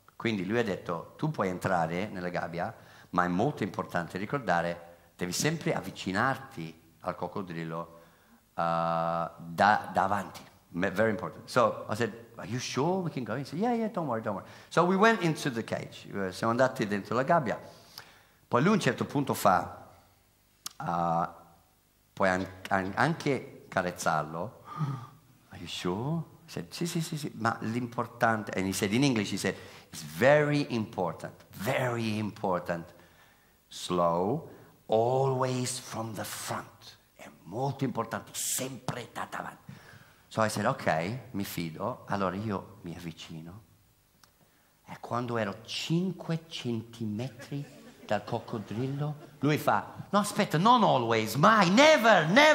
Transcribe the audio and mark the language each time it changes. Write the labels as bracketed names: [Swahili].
[Italian] Quindi lui ha detto tu puoi entrare nella gabbia, ma è molto importante ricordare, devi sempre avvicinarti al coccodrillo davanti. [English] Very important. So I said are you sure we can go inside? Yeah, don't worry. So we went into the cage. [Italian] Siamo andati dentro la gabbia. Poi lui a un certo punto fa, puoi anche carezzarlo. [English] Are you sure? I said, [Italian] sì, ma l'importante, [English] and he said in English, he said, it's very important, slow, always from the front. [Italian] È molto importante, sempre da davanti. [English] So I said, ok, [Italian] mi fido, allora io mi avvicino. E quando ero 5 centimetri dal coccodrillo, lui fa no aspetta, non [English] always, [Italian] mai, [English] never.